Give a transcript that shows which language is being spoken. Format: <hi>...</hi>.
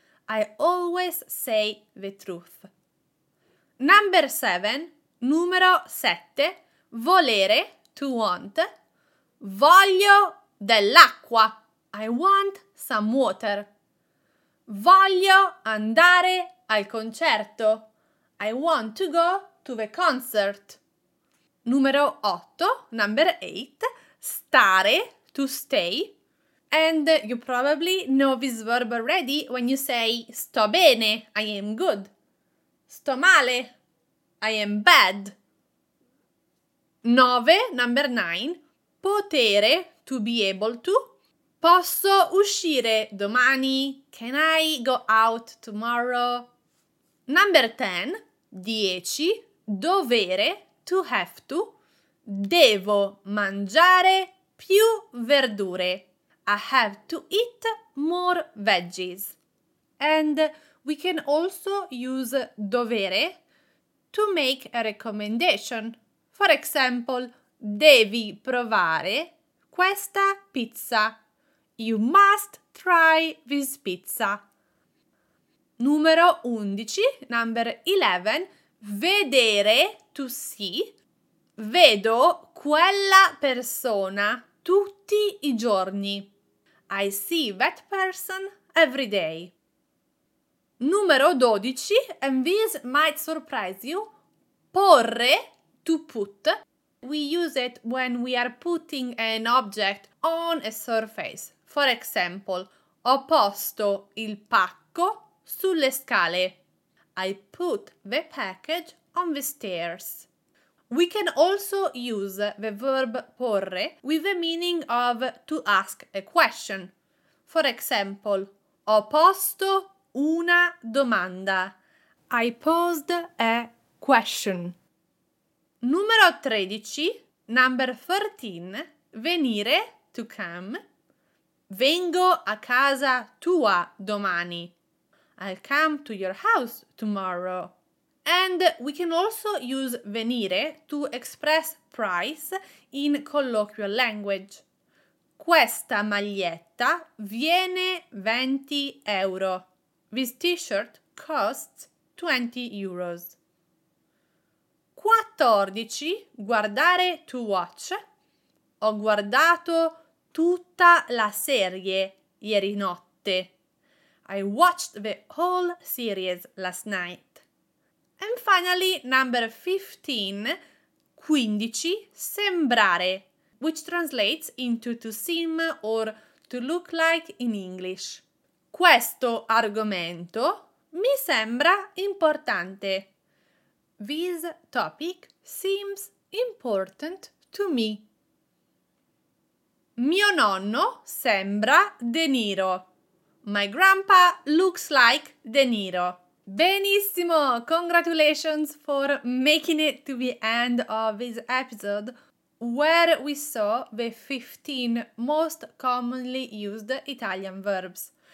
<en>I always say the truth. Number 7,</en> <it>numero 7,</it> <en>volere, to want.</en> <it>Voglio dell'acqua.</it> <en>I want some water.</en> <it>Voglio andare al concerto.</it> <en>I want to go to the concert.</en> <it>Numero 8,</it> <en>number 8, stare, to stay. And you probably know this verb already when you say</en> <it>sto bene,</it> <en>I am good.</en> <it>Sto male,</it> <en>I am bad. 9, number 9, potere, to be able to.</en> <it>Posso uscire domani?</it> <en>Can I go out tomorrow? Number 10, 10, dovere, to have to.</en> <it>Devo mangiare più verdure.</it> <en>I have to eat more veggies. And we can also use dovere to make a recommendation. For example,</en> <it>devi provare questa pizza.</it> <en>You must try this pizza.</en> <it>Numero 11,</it> <en>number 11, vedere, to see.</en> <it>Vedo quella persona tutti i giorni.</it> <en>I see that person every day.</en> <it>Numero 12,</it> <en>and this might surprise you, porre, to put. we use it when we are putting an object on a surface. For example,</en> <it>ho posto il pacco sulle scale.</it> <en>I put the package on the stairs. We can also use the verb porre with the meaning of to ask a question. For example,</en> <it>ho posto una domanda.</it> <en>I posed a question.</en> <it>Numero 13,</it> <en>number 13, venire, to come.</en> <it>Vengo a casa tua domani.</it> <en>I'll come to your house tomorrow. And we can also use venire to express price in colloquial language.</en> <it>Questa maglietta viene 20 euro.</it> <en>This t-shirt costs 20 euros.</en> <it>14. Guardare</it> <en>to watch.</en> <it>Ho guardato tutta la serie ieri notte.</it> <en>I watched the whole series last night. And finally, number 15, 15, sembrare, which translates into to seem or to look like in English.</en> <it>Questo argomento mi sembra importante.</it> <en>This topic seems important to me.</en> <it>Mio nonno sembra De Niro.</it> <en>My grandpa looks like De Niro.</en> <it>Benissimo!</it> <en>Congratulations for making it to the end of this episode where we saw the 15 most commonly used Italian verbs.</en>